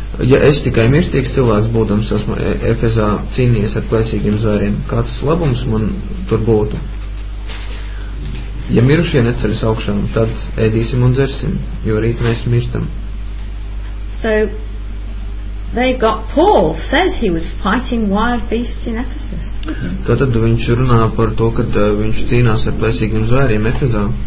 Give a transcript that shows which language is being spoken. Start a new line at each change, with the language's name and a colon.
Latvian: Ja es tikai mirstīgs cilvēks būdams esmu Efezā cīnījies ar klēsīgiem zvēriem, kāds labums man tur būtu? Ja mirušie neceļas augšām, tad ēdīsim un dzersim, jo rīt mēs mirstam.
English: So, they got Paul says he was fighting wild beasts in Ephesus.
Latvian: Tātad viņš runā par to, kad viņš cīnās ar plēsīgiem zvēriem Efezā.